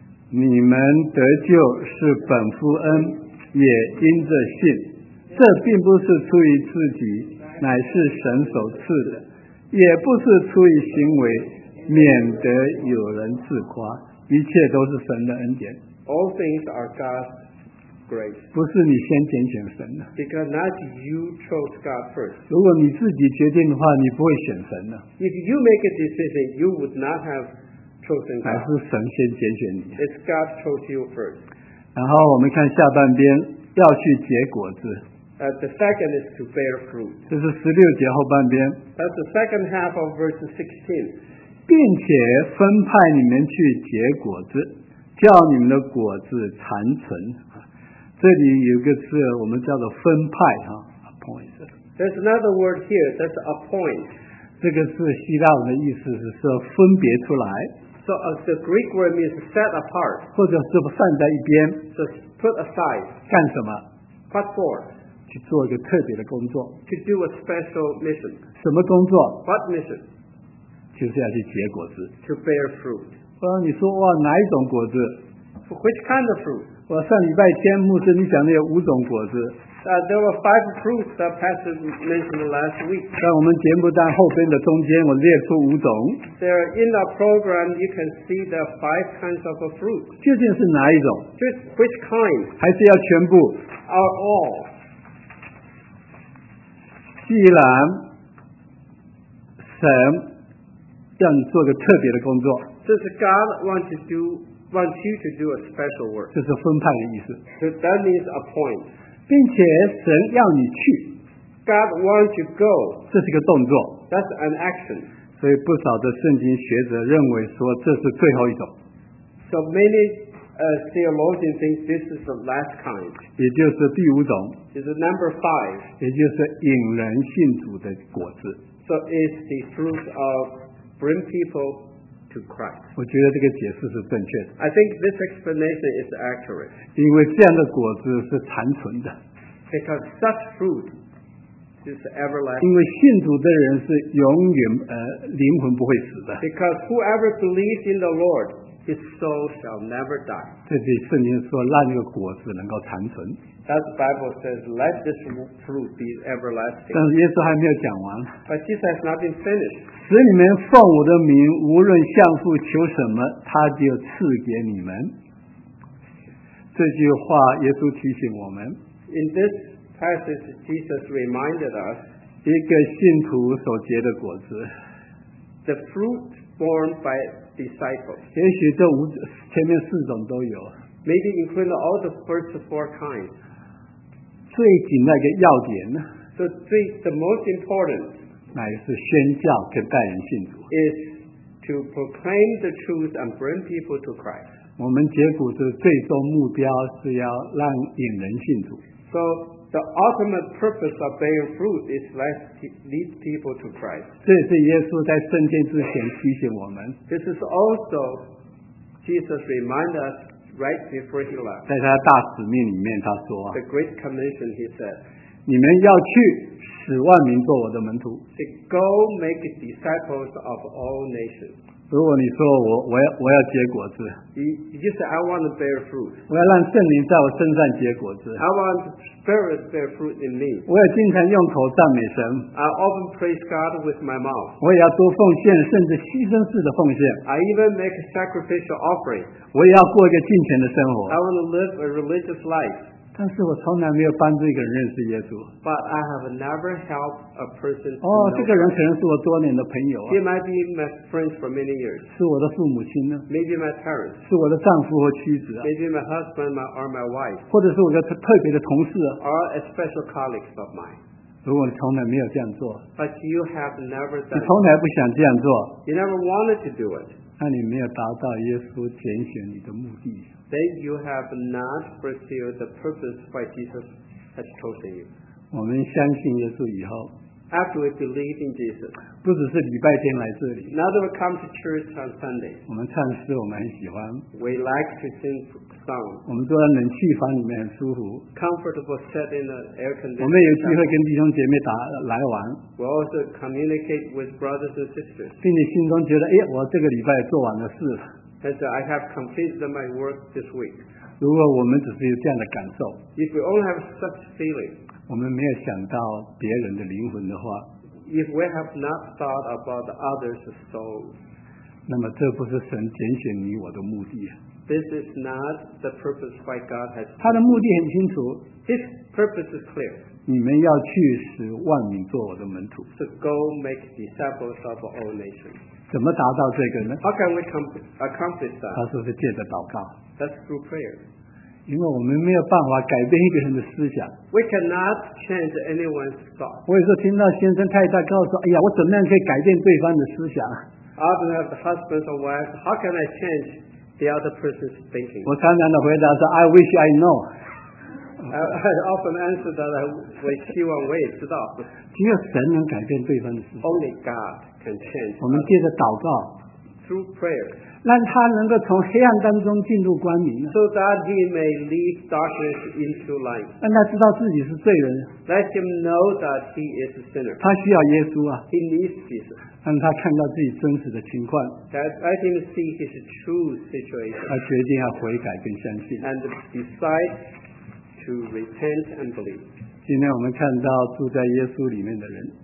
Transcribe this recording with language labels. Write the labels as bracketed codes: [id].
[zh] 你们得救是本乎恩, 也因着信, 这并不是出于自己, 乃是神所赐的, 也不是出于行为, 免得有人自夸, 一切都是神的恩典。 [en] All things are God's grace. [zh] 不是你先拣选神的, [en] because not you chose God first. [zh] 如果你自己决定的话, 你不会选神的。 [en] If you make a decision, you would not have chosen God. [zh] 还是神先拣选你, [en] it's God chose you first. [zh] 然后我们看下半边, 要去结果子, [en] the second is to bear fruit. [zh] 这是16节后半边, [en] that's the second half of verse 16. [zh] 并且分派你们去结果子, 叫你们的果子长存, 这里有个字我们叫做分派哈 ，appoint。 [en] There's another word here that's appoint. [zh] 这个字希腊文的意思是说分别出来。 [en] So the Greek word means set apart. [zh] 或者是散在一边。 [en] So put aside. [zh] 干什么 [en] ？What for? [zh] 去做一个特别的工作。 [en] To do a special mission. [zh] 什么工作 [en] ？What mission? [zh] 就是要去结果子。 [en] To bear fruit. [zh] 我让你说哇，哪一种果子 [en] ？For which kind of fruit? [zh] 我上礼拜天牧师你讲的有五种果子。 [en] There were five fruits that Pastor mentioned last week. [zh] 在我们节目单后边的中间，我列出五种。 [en] There in the program, you can see the five kinds of a fruit. [zh] 究竟是哪一种 [en] ？Which kind? [zh] 还是要全部 [en] ？Are all? [zh] 既然神要你做个特别的工作 [en] ，Does God want you to do a special work? [zh] 这是分派的意思。 [en] So that means a point. [zh] 并且神要你去 [en] God wants you to go [zh] 这是个动作 [en] That's an action [zh] 所以不少的圣经学者认为说这是最后一种 [en] So many theologians think this is the last kind [zh] 也就是第五种 [en] It's number five [zh] 也就是引人信主的果子 [en] So it's the fruit of bring people to Christ [zh] 我觉得这个解释是正确的 [en] I think this explanation is accurate [zh] 因为这样的果子是长存的 [en] because such fruit is everlasting [zh] 因为信主的人是永远灵魂不会死的 [en] because whoever believes in the Lord his soul shall never die [zh] 这里圣经说让这个果子能够长存 [en] that Bible says let this fruit be everlasting [zh] 但是耶稣还没有讲完 [en] but Jesus has not been finished [zh] 使你们奉我的名无论向父求什么他就赐给你们这句话耶稣提醒我们 [en] In this passage, Jesus reminded us [zh] 一个信徒所结的果子 [en] The fruit born by disciples [zh] 也许这五前面四种都有 [en] Maybe including all the first four kinds [zh] 最紧那个要点呢 [en] So the most important [zh] 乃是宣教跟带人信徒 [en] is to proclaim the truth and bring people to Christ [zh] 我们结果的最终目标是要让引人信主。 [en] So the ultimate purpose of bearing fruit is lead people to Christ. [zh] 这是耶稣在圣经之前提醒我们。 [en] This is also Jesus reminded us right before he left. [zh] 在他的大使命里面，他说 [en] ，The Great Commission, he said, [zh] 你们要去使万民做我的门徒。 [en] Go make disciples of all nations. [zh] 如果你说 我要结果子 [en] You say I want to bear fruit [zh] 我要让圣灵在我身上结果子 [en] I want the Spirit to bear fruit in me [zh] 我也经常用口赞美神 [en] I often praise God with my mouth [zh] 我也要多奉献甚至牺牲式的奉献 [en] I even make a sacrificial offering [zh] 我也要过一个敬虔的生活 [en] I want to live a religious life [zh] 但是我从来没有帮助一个人认识耶稣 [en] But I have never helped a person [zh] 哦这个人可能是我多年的朋友、啊、 [en] He might be my friend for many years [zh] 是我的父母亲呢 [en] Maybe my parents [zh] 是我的丈夫和妻子、啊、 [en] Maybe my husband or my wife [zh] 或者是我的特别的同事、啊、 [en] Or a special colleague of mine [zh] 如果你从来没有这样做 [en] But you have never done [zh] 你从来不想这样做 [en] You never wanted to do it [zh] 那你没有达到耶稣拣选你的目的 [en] Then you have not fulfilled the purpose why Jesus has chosen you. [zh] 我们相信耶稣以后 [en] After we believe in Jesus, [zh] 不只是礼拜天来这里 [en] Now that we come to church on Sunday, [zh] 我们唱诗我们很喜欢 [en] We like to sing songs. [zh] 我们坐在冷气房里面很舒服 [en] Comfortable set in an air conditioner. [zh] 我们有机会跟弟兄姐妹打来玩 [en] We also communicate with brothers and sisters. [zh] 并且心中觉得哎，我这个礼拜做完了事 [en] And so I have completed my work this week. [zh] 如果我们只是有这样的感受 [en] If we only have such feeling, [zh] 我们没有想到别人的灵魂的话 [en] If we have not thought about others' souls, [zh] 那么这不是神拣选你我的目的 [en] This is not the purpose why God has chosen. [zh] 他的目的很清楚 [en] His purpose is clear. [zh] 你们要去使万民做我的门徒 [en] So go make disciples of all nations. [zh] 怎么达到这个呢 [en] How can we accomplish that? [zh] 他说是借着祷告 [en] That's through prayer [zh] 因为我们没有办法改变一个人的思想 [en] We cannot change anyone's thought [zh] 我有时候听到先生太太告诉哎呀我怎么样可以改变对方的思想 [en] Often have the husband or wife How can I change the other person's thinking? [zh] 我常常的回答说 [en] I wish I know I often answer that I wish he won't wait to stop. Only God can change. [zh] 我们借着祷告, [en] through prayer. [zh] 让他能够从黑暗当中进入光明, [en] so that he may lead darkness into light. [zh] 让他知道自己是罪人, [en] let him know that he is a sinner. [zh] 他需要耶稣啊, [en] he needs Jesus. [zh] 让他看到自己真实的情况, [en] let him see his true situation. [zh] 他决定要悔改跟相信, [en] and decide to repent and believe. [zh] 今天我们看到住在耶稣里面的人,